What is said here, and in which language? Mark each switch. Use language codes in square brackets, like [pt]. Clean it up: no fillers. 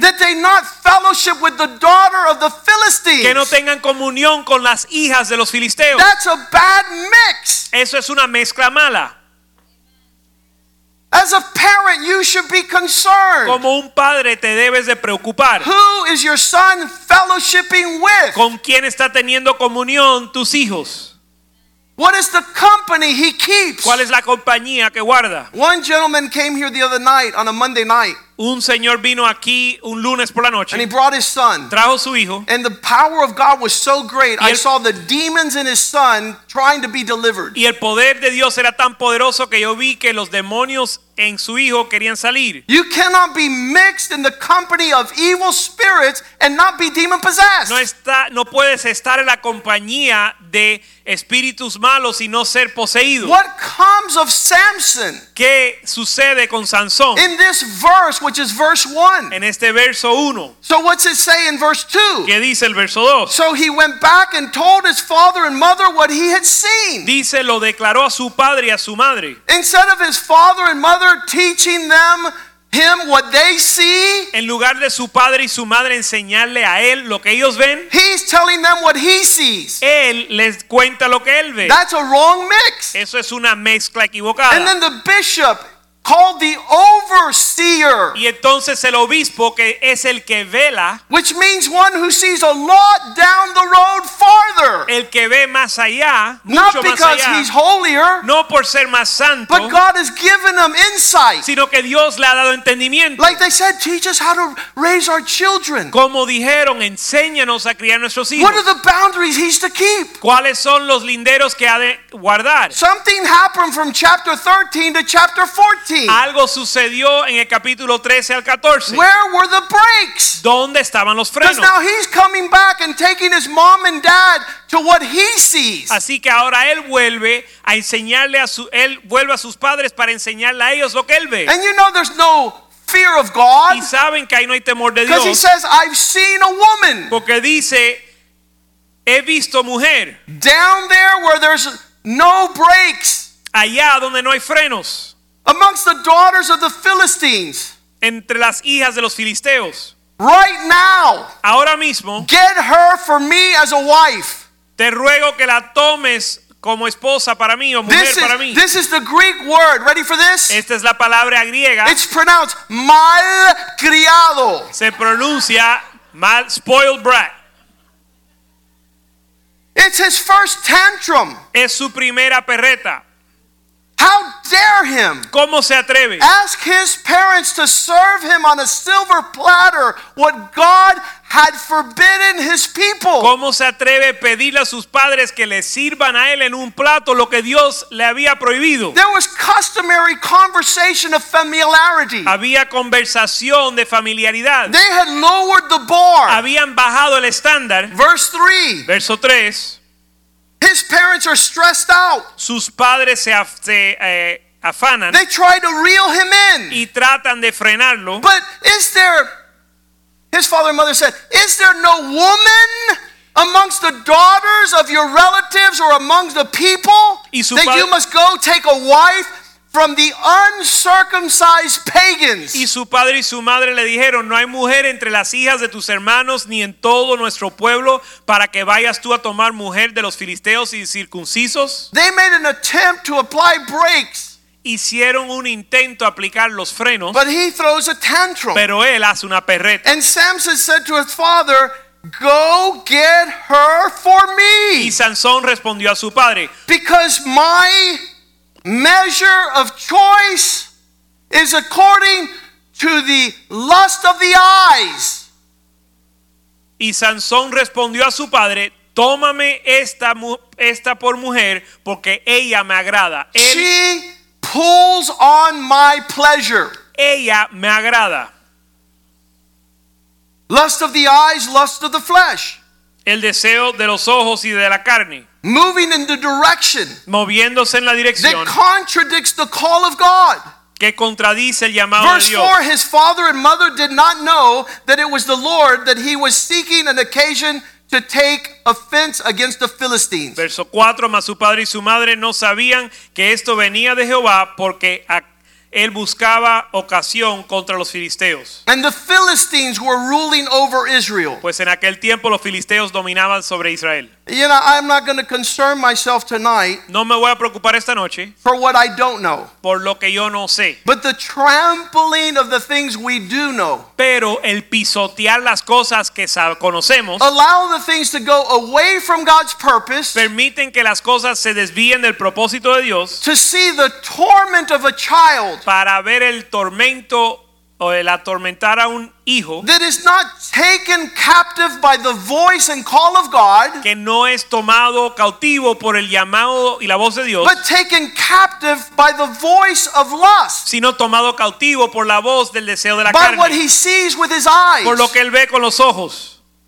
[en] That they not fellowship with the daughter of the Philistines. [es] Que no tengan comunión con las hijas de los filisteos. [en] That's a bad mix. [es] Eso es una mezcla mala. [en] As a parent, you should be concerned. [es] Como un padre, te debes de preocupar. [en] Who is your son fellowshipping with? [es] ¿Con quién está teniendo comunión tus hijos? [en] What is the company he keeps? [es] ¿Cuál es la compañía que guarda? [en] One gentleman came here the other night on a Monday night. [es] Un señor vino aquí un lunes por la noche. [en] And he brought his son. [es] Trajo su hijo. [en] And the power of God was so great. I saw the demons in his son trying to be delivered. [es] Y el poder de Dios era tan poderoso que yo vi que los demonios en su hijo querían salir. [en] You cannot be mixed in the company of evil spirits and not be demon possessed. [es] No puedes estar en la compañía de espíritus malos y no ser poseído. [en] What comes of Samson? [es] ¿Qué sucede con Sansón? [en] In this verse, which is verse 1. [es] En este verso 1. [en] So what's it say in verse 2? [es] ¿Qué dice el verso 2? [en] So he went back and told his father and mother what he had seen. [es] Dice, lo declaró a su padre y a su madre. [en] Instead of his father and mother teaching them him what they see, [es] en lugar de su padre y su madre enseñarle a él lo que ellos ven, [en] he's telling them what he sees. [es] Él les cuenta lo que él ve. [en] That's a wrong mix. [es] Eso es una mezcla equivocada. [en] And then the bishop called the overseer. [es] Y entonces el obispo, que es el que vela, [en] which means one who sees a lot down the road farther. [es] El que ve más allá, [en] not because he's holier, [es] no por ser más santo, [en] but God has given him insight. [es] Sino que Dios le ha dado entendimiento. [en] Like they said, teach us how to raise our children. [es] Como dijeron, enséñanos a criar nuestros hijos. [en] What are the boundaries he's to keep? [es] ¿Cuáles son los linderos que ha de guardar? [en] Something happened from chapter 13 to chapter 14. [es] Algo sucedió en el capítulo 13 al 14. [en] Where were the brakes? [es] ¿Dónde estaban los frenos? [en] Because now he's coming back and taking his mom and dad to what he sees. [es] Así que ahora él vuelve a enseñarle a sus padres para enseñarle a ellos lo que él ve. [en] And you know there's no fear of God. [es] Y saben que ahí no hay temor de Dios. [en] Because he says I've seen a woman. [es] Porque dice he visto mujer. [en] Down there where there's no brakes. [es] Allá donde no hay frenos. [en] Amongst the daughters of the Philistines. [es] Entre las hijas de los filisteos. [en] Right now. [es] Ahora mismo. [en] Get her for me as a wife. [es] Te ruego que la tomes como esposa para mí o mujer para mí. [en] This is the Greek word. Ready for this? [es] Esta es la palabra griega. [en] It's pronounced [es] mal criado. Se pronuncia mal, [en] spoiled brat. It's his first tantrum. [es] Es su primera perreta. [en] How dare him? [es] ¿Cómo se atreve? [en] Ask his parents to serve him on a silver platter what God had forbidden his people. [es] ¿Cómo se atreve pedirle a sus padres que le sirvan a él en un plato lo que Dios le había prohibido? [en] There was customary conversation of familiarity. [es] Había conversación de familiaridad. [en] They had lowered the bar. [es] Habían bajado el estándar. [en] Verse 3. [es] Verso 3. [en] His parents are stressed out. [es] Sus padres se afanan. [en] They try to reel him in. [es] Y tratan de frenarlo. [en] But is there, his father and mother said, is there no woman amongst the daughters of your relatives or amongst the people that you must go take a wife from the uncircumcised pagans. [es] Y su padre y su madre le dijeron, no hay mujer entre las hijas de tus hermanos ni en todo nuestro pueblo para que vayas tú a tomar mujer de los filisteos y circuncisos. [en] They made an attempt to apply brakes. [es] Hicieron un intento a aplicar los frenos. [en] But he throws a tantrum. [es] Pero él hace una perreta. [en] And Samson said to his father, go get her for me. [es] Y Sansón respondió a su padre, [en] because my measure of choice is according to the lust of the eyes. [es] Y Sansón respondió a su padre, tómame esta por mujer porque ella me agrada. [en] She pulls on my pleasure. [es] Ella me agrada. [en] Lust of the eyes, lust of the flesh. [es] El deseo de los ojos y de la carne. [en] Moving in the direction. [es] Moviéndose en la dirección. [en] That contradicts the call of God. [es] Que contradice el llamado [en] Verse [es] de Dios. [en] Verse 4, his father and mother did not know that it was the Lord that he was seeking an occasion to take offense against the Philistines. [es] Verso 4, mas su padre y su madre no sabían que esto venía de Jehová porque él buscaba ocasión contra los filisteos. [en] And the Philistines were ruling over Israel. [es] Pues en aquel tiempo los filisteos dominaban sobre Israel. [en] You know, I'm not going to concern myself tonight. [es] No me voy a preocupar esta noche. [en] For what I don't know. [es] Por lo que yo no sé. [en] But the trampling of the things we do know. [es] Pero el pisotear las cosas que conocemos. [en] Allow the things to go away from God's purpose. [es] Permiten que las cosas se desvíen del propósito de Dios. [en] To see the torment of a child. [es] Para ver el tormento o el atormentar a un hijo, [en] that is not taken captive by the voice and call of God, [es] que no es tomado cautivo por el llamado y la voz de Dios, [en] but taken captive by the voice of lust, [es] sino tomado cautivo por la voz del deseo de la [en] by [es] carne, [en] what he sees with his eyes, [es] por lo que él ve con los ojos.